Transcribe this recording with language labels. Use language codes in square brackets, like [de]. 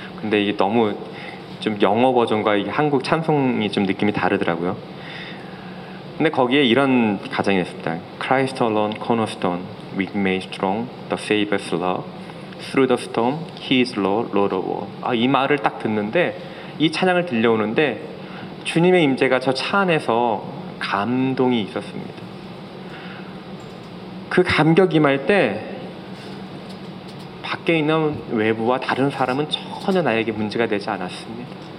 [ko] 근데 이게 너무 좀 영어 버전과 이게 한국 찬송이 좀 느낌이 다르더라고요. 근데 거기에 이런 가장이 있습니다. [en] Christ alone cornerstone, weak made strong, the Savior's love, through the storm, He is Lord, Lord of all. [ko] 아, 이 말을 딱 듣는데 이 찬양을 들려오는데 주님의 임재가 저 차 안에서 감동이 있었습니다. 그 감격이 임할 때 밖에 있는 외부와 다른 사람은 전혀 나에게 문제가 되지 않았습니다.